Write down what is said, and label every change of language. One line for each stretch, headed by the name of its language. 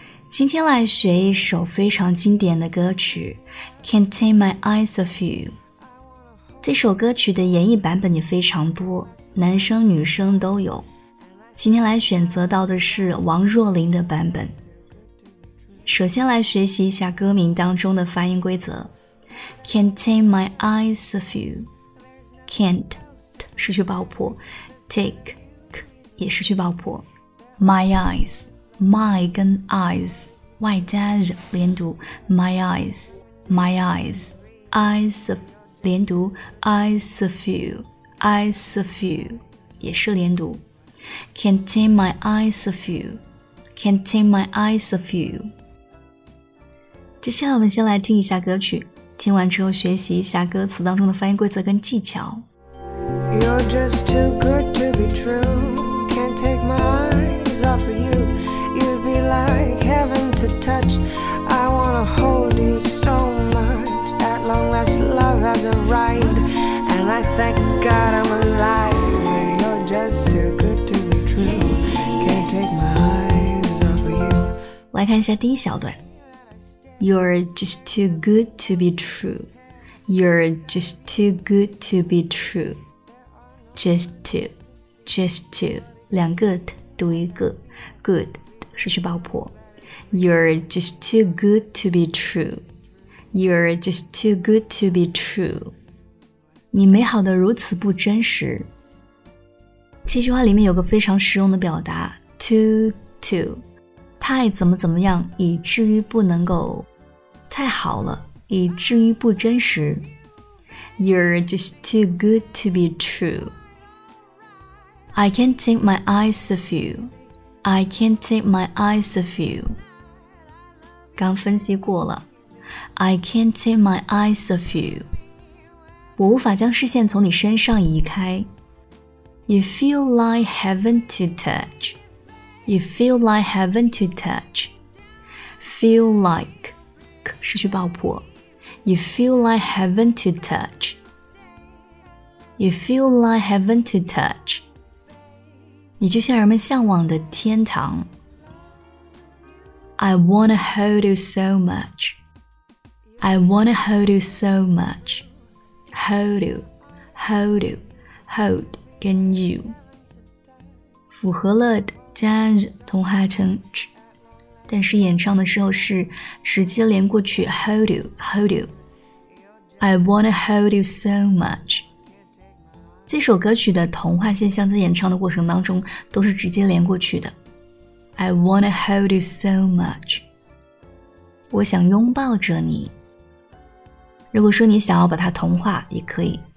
Chinese: 今天来学一首非常经典的歌曲 Can't Take My Eyes Off You。这首歌曲的演绎版本也非常多，男生女生都有，今天来选择到的是王若琳的版本。首先来学习一下歌名当中的发音规则， Can't Take My Eyes Off
English: YouCan't 失去爆破 Take
Chinese: 也失去爆破
English: My eyes My 跟 eyes Y 加 Z 连读 My eyes My eyes Eyes 连读 Eyes of you Eyes of you 也是连读 Can't take my eyes of you Can't take my eyes of you。
Chinese: 接下来我们先来听一下歌曲，听完之后学习一下歌词当中的发音规则跟技巧。
English: You're just too good to be true. Can't take my eyes off of you. You'd be like heaven to touch. I wanna hold you so much. At long last, love has arrived. And I thank God I'm alive. You're just too good to be true. Can't take my eyes off of you.
Chinese: 来看一下第一小段。
English: You're just too good to be true. You're just too good to be true.
Chinese: Just to, 两个 t 读一个 good 失去爆破。
English: You're just too good to be true. You're just too good to be true.
Chinese: 你美好的如此不真实。这句话里面有个非常实用的表达 too, 太怎么怎么样，以至于不能够，太好了，以至于不真实。
English: You're just too good to be true. I can't take my eyes off you. I can't take my eyes off you.
Chinese: 刚分析过了。
English: I can't take my eyes off you.
Chinese: 我无法将视线从你身上移开。
English: You feel like heaven to touch. You feel like heaven to touch.
Chinese: Feel like, 失去爆破。
English: You feel like heaven to touch. You feel like heaven to touch.
Chinese: 你就像人们向往的天堂。
English: I wanna hold you so much. I wanna hold you so much.
Chinese: Hold you, hold you, hold 跟 you 符合了 jazz 同化成 ch， 但是演唱的时候是直接连过去
English: hold you, hold you. I wanna hold you so much.
Chinese: 这首歌曲的同化现象在演唱的过程当中都是直接连过去的。
English: I wanna hold you so much.
Chinese: 我想拥抱着你。如果说你想要把它同化也可以。